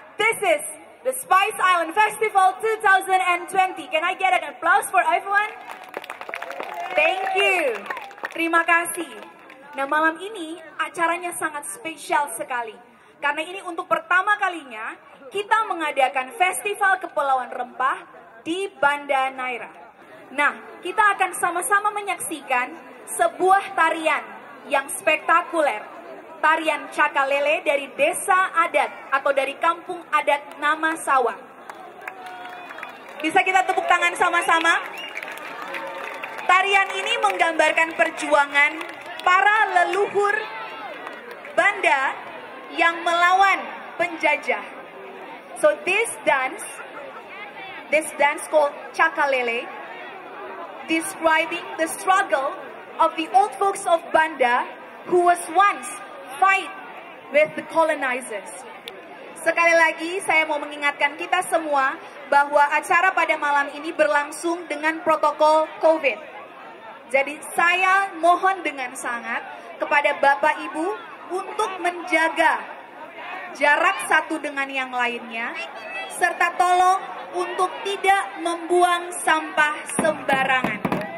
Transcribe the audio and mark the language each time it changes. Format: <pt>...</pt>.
<en>This is the Spice Island Festival 2020. Can I get an applause for everyone? Thank you.</en> <id>Terima kasih. Nah, malam ini acaranya sangat spesial sekali. Karena ini untuk pertama kalinya kita mengadakan Festival Kepulauan Rempah di Banda Naira. Nah, kita akan sama-sama menyaksikan sebuah tarian yang spektakuler. Tarian Cakalele dari desa adat atau dari kampung adat Nama Sawang. Bisa kita tepuk tangan sama-sama? Tarian ini menggambarkan perjuangan para leluhur Banda yang melawan penjajah.</id> <en>So this dance called Cakalele, describing the struggle of the old folks of Banda who was once fight with the colonizers.</en> <id>Sekali lagi saya mau mengingatkan kita semua bahwa acara pada malam ini berlangsung dengan protokol COVID. Jadi saya mohon dengan sangat kepada Bapak Ibu untuk menjaga jarak satu dengan yang lainnya, serta tolong untuk tidak membuang sampah sembarangan.</id>